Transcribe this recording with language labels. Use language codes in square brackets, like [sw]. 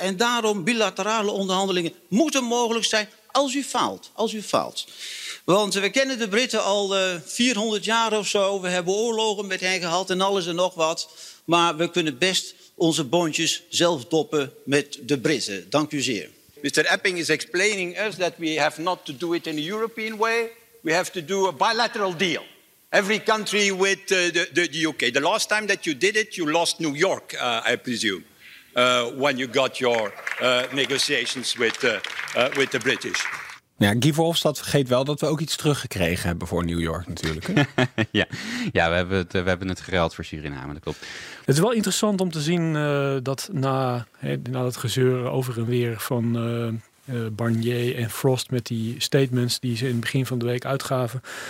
[nl] En daarom bilaterale onderhandelingen moeten mogelijk zijn als u faalt. Als u faalt. Want we kennen de Britten al 400 jaar of zo. We hebben oorlogen met hen gehad en alles en nog wat. Maar we kunnen best onze bondjes zelf doppen met de Britten. Dank u zeer. [en] Mr. Epping is explaining us that we have not to do it in a European way. We have to do a bilateral deal. Every country with the UK. The last time that you did it, you lost New York, I presume. When you got your negotiations with the British. [nl] Ja, Guy Verhofstadt vergeet wel dat we ook iets teruggekregen hebben voor New York natuurlijk. Ja, we hebben het geruild voor Suriname, dat klopt. Het is wel interessant om te zien dat na dat gezeur over en weer van Barnier en Frost met die statements die ze in het begin van de week uitgaven.